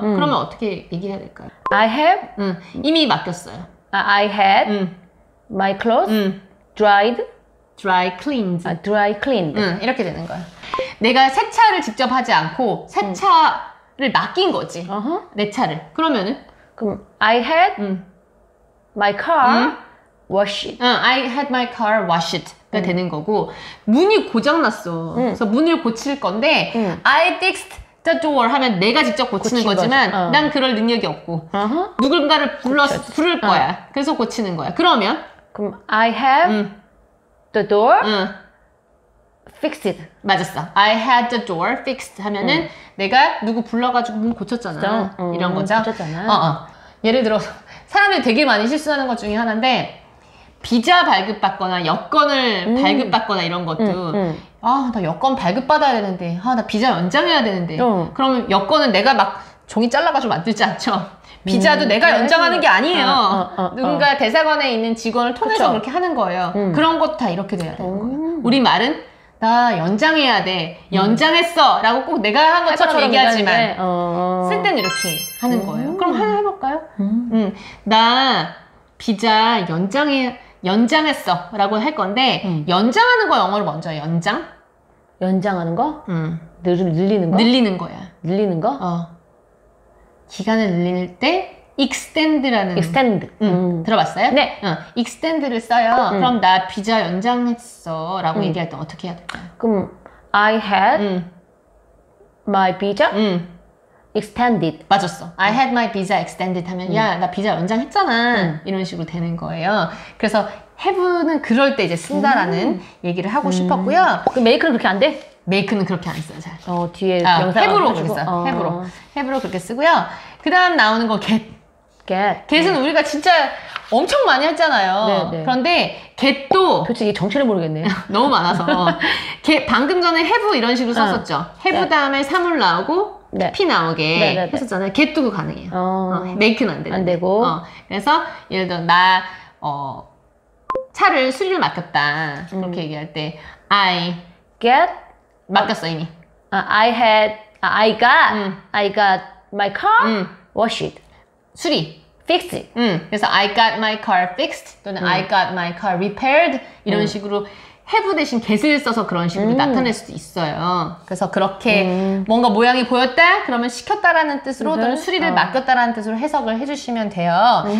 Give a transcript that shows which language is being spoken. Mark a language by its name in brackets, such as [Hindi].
[Korean] 그러면 어떻게 얘기해야 될까요? [English] I have [Korean] 이미 맡겼어요. [English] I had my clothes dried dry cleaned dry cleaned [Korean] 이렇게 되는 거야. 내가 세차를 직접 하지 않고 세차를 맡긴 거지. 내 차를. 그러면은? [English] 그럼 I had my car washed. I had my car washed [Korean] 가 되는 거고 문이 고장 났어. 그래서 문을 고칠 건데 [English] I fixed the door [Korean] 하면 내가 직접 고치는 거지만 난 그럴 능력이 없고 누군가를 부를 거야. 그래서 고치는 거야. 그러면 [English] 그럼 I have the door fixed. [Korean] 맞았어. [English] I had the door fixed [Korean] 하면은 내가 누구 불러가지고 문 고쳤잖아. 이런 거죠. 예를 들어서 사람들이 되게 많이 실수하는 것 중에 하나인데 비자 발급받거나 여권을 발급받거나 이런 것도 아, 나 여권 발급받아야 되는데 아, 나 비자 연장해야 되는데 그러면 여권은 내가 막 종이 잘라가지고 만들지 않죠? 비자도 내가 연장하는 게 아니에요. 누군가 대사관에 있는 직원을 통해서 그렇게 하는 거예요. 그런 것도 다 이렇게 돼야 되는 거예요. 우리 말은 나 연장해야 돼. 연장했어. 라고 꼭 내가 한 것처럼 얘기하지만. 쓸 땐 이렇게 하는 거예요. 그럼 하나 해볼까요? 나 비자 연장해, 연장했어. 라고 할 건데, 연장하는 거 영어로 먼저 연장? 연장하는 거? 늘리는 거? 늘리는 거야. 늘리는 거? 기간을 늘릴 때, extend라는. [English] extend. [Korean] 들어봤어요? 네. extend를 써요. 그럼 나 비자 연장했어. 라고 얘기할 때 어떻게 해야 될까요? [English] 그럼, I had my visa extended. [Korean] 맞았어. [English] I had my visa extended [Korean] 하면, 야, 나 비자 연장했잖아. 이런 식으로 되는 거예요. 그래서, have는 그럴 때 이제 쓴다라는 얘기를 하고 싶었고요. 그 make는 그렇게 안 돼? make는 그렇게 안 써요, 잘. 뒤에 have로 그렇게 써요. have로. have로 그렇게 쓰고요. 그 다음 나오는 거 get. get은 네. 우리가 진짜 엄청 많이 했잖아요. 네, 네. 그런데 get도 도대체 이게 정체를 모르겠네. 너무 많아서. get, 방금 전에 have 이런 식으로 썼었죠. have 네. 다음에 사물 나오고 네. pp 나오게 네, 네, 네. 했었잖아요. get도 가능해요. make는 안 되는데. 안 되고. 그래서 예를 들어 나 차를 수리를 맡겼다. [English] 그렇게 얘기할 때 I get [Korean] 맡겼어 이미. [English] I had I got I got my car washed. [Korean] 수리 [English] fixed. [Korean] 그래서 [English] I got my car fixed [Korean] 또는 [English] I got my car repaired [Korean] 이런 식으로 have 대신 get을 써서 그런 식으로 나타낼 수도 있어요. 그래서 그렇게 뭔가 모양이 보였다? 그러면 시켰다라는 뜻으로 또는 수리를 맡겼다라는 뜻으로 해석을 해주시면 돼요.